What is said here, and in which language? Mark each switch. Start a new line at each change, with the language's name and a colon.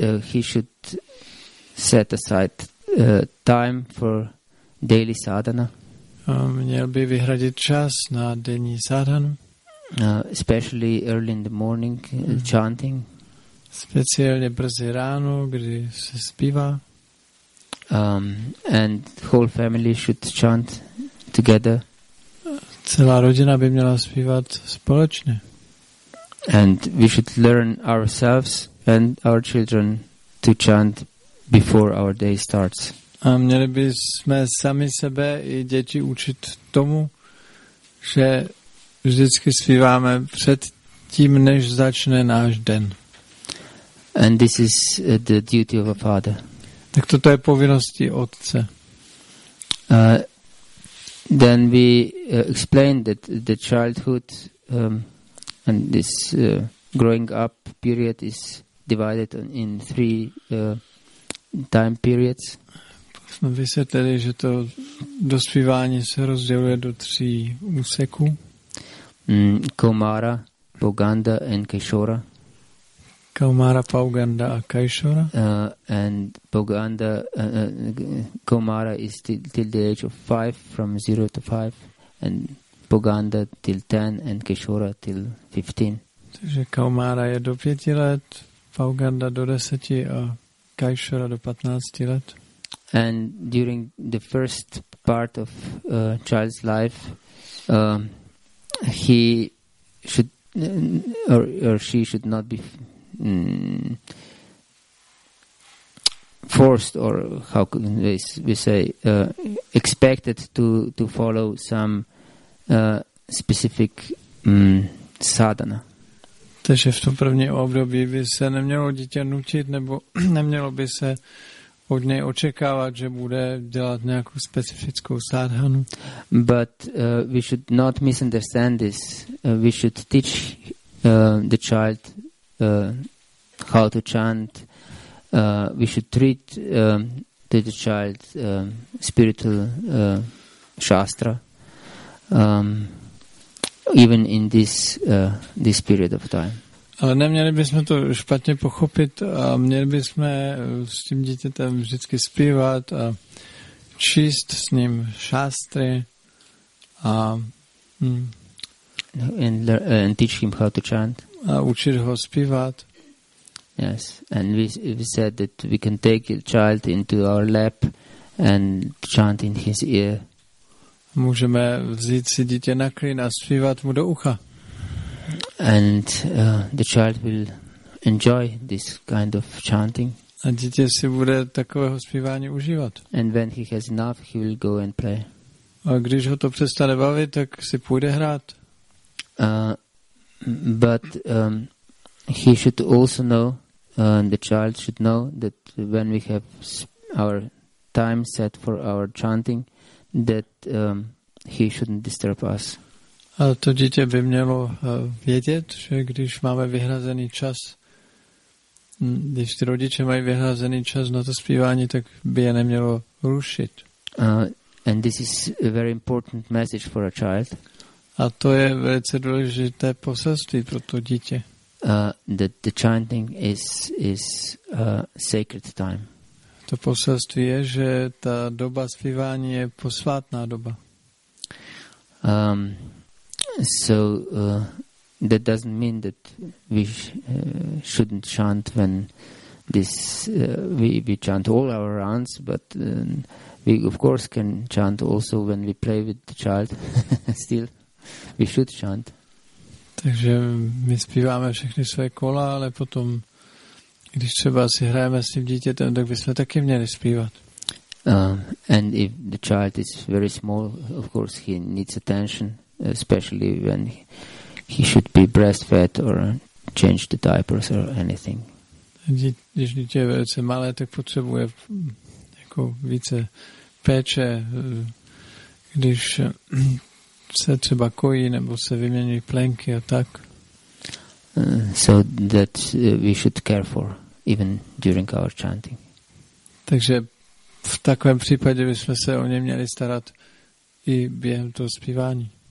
English: He should set aside time for daily sadhana.
Czech: Měl by vyhradit čas na denní sadhanu.
English: Especially early in the morning, chanting.
Czech: Speciálně brzy ráno, kdy se zpívá.
English: And whole family should chant together.
Czech: Celá rodina by měla zpívat společně.
English: And we should learn ourselves and our children to chant before our day starts.
Czech: A měli bychom sami sebe i děti učit tomu, že vždycky zpíváme před tím, než začne náš den.
English: And this is the duty of a father.
Czech: Tak toto je povinnosti otce.
English: Then we explained that the childhood and this growing up period is divided in three time periods.
Czech: Jsme vysvětlili, že to dospívání se rozděluje do tří úseků.
English: Kaumara, Pauganda and Kishora.
Czech: Kaumara, Pauganda a Kaishora.
English: And Pauganda, Kaumara is till the age of 5, from 0 to 5, and Pauganda till 10, and Kaishora till 15.
Czech: Takže Kaumara je do 5 let, Pauganda do 10 a Kaishora do 15 let.
English: And during the first part of child's life, he should or she should not be forced, or how can we say, expected to follow some specific sadhana.
Czech: Takže v tom první období by se nemělo dítě nutit, nebo nemělo by se od něj očekávat, že bude dělat nějakou specifickou sadhanu.
English: But we should not misunderstand this. We should teach the child how to chant. We should treat the child spiritual shastra even in this period of time.
Czech: Ale neměli bychom to špatně pochopit a měli bychom s tím dítětem vždycky zpívat a číst s ním šástry a
English: and teach him how to chant.
Czech: A učit ho zpívat.
English: Yes, and we said that we can take a child into our lap and chant in his ear.
Czech: Můžeme vzít si dítě na klín a zpívat mu do ucha.
English: And the child will enjoy this kind of chanting.
Czech: A dítě si bude takového zpívání užívat.
English: And when he has enough, he will go and play.
Czech: A když ho to přestane bavit, tak si půjde hrát.
English: But he should also know, the child should know that when we have our time set for our chanting, that he shouldn't disturb us.
Czech: A to dítě by mělo vědět, že když máme vyhrazený čas, když ty rodiče mají vyhrazený čas na to zpívání, tak by je nemělo rušit.
English: And this is a very important message for a child.
Czech: A to je velice důležité poselství pro to dítě.
English: That the chanting is sacred time.
Czech: To poselství je, že ta doba zpívání je posvátná doba.
English: So that doesn't mean that we shouldn't chant when this we chant all our rounds, but we of course can chant also when we play with the child. Still, we should chant.
Czech: Takže my zpíváme všechny své kola, ale potom, když třeba si hrajeme s tím dítětem, tak bychom taky měli zpívat.
English: And if the child is very small, of course he needs attention, especially when he should be breastfed or change the diapers or anything.
Czech: Když dítě je velice malé, tak potřebuje jako více péče, když se třeba kojí nebo se vyměňují plenky a tak.
English: So that we should care for even during our chanting.
Czech: Takže v takovém případě bychom se o ně měli starat i během toho zpívání.